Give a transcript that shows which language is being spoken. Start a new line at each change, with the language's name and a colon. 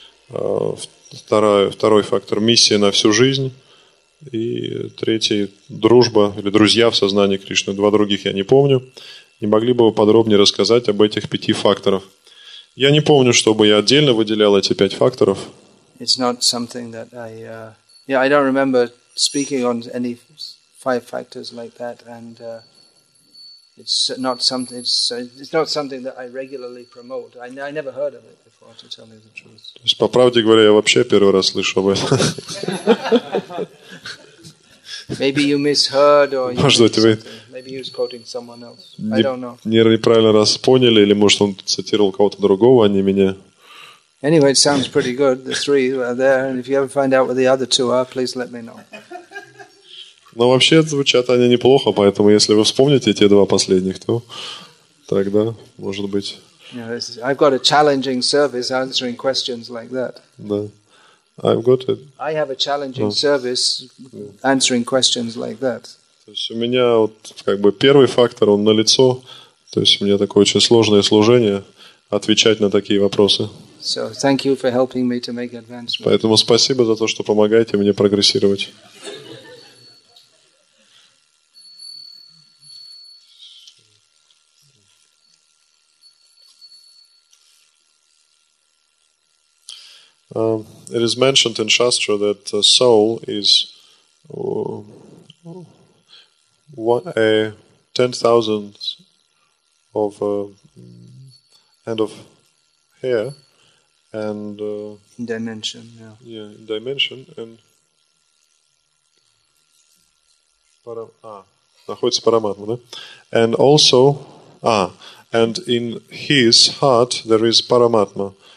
Russian: Второй фактор – миссия на всю жизнь. И третий – дружба или друзья в сознании Кришны. Два других я не помню. Не могли бы вы подробнее рассказать об этих пяти факторах? Я не помню, чтобы я отдельно выделял эти пять факторов.
English: It's not something that I... I don't remember speaking on any five factors like that. And it's not something that I regularly promote. I never heard of it before, to tell you the truth.
Russian: То есть, по правде говоря, я вообще первый раз слышу об этом.
English: Maybe you misheard or...
Russian: Неправильно раз поняли, или может он цитировал кого-то другого, а не меня.
English: Anyway, it sounds pretty good. The three are there, and if you ever find out what the other two are, please let me know.
Russian: Но вообще звучат они неплохо, поэтому если вы вспомните эти два последних, то тогда, может быть.
English: Yeah, this is, I've got a challenging service answering questions like that.
Russian: Да.
English: I've got it. I have a challenging service answering questions like that.
Russian: То есть у меня вот как бы первый фактор, он налицо. То есть у меня такое очень сложное служение отвечать на такие вопросы.
English: So, thank you for helping me to make advancement.
Russian: Поэтому спасибо за то, что помогаете мне прогрессировать.
English: It is mentioned in Shastra that the soul is... a 10,000th of end of hair and dimension
Russian: and находится параматма, да?
English: And also and in his heart there is параматма.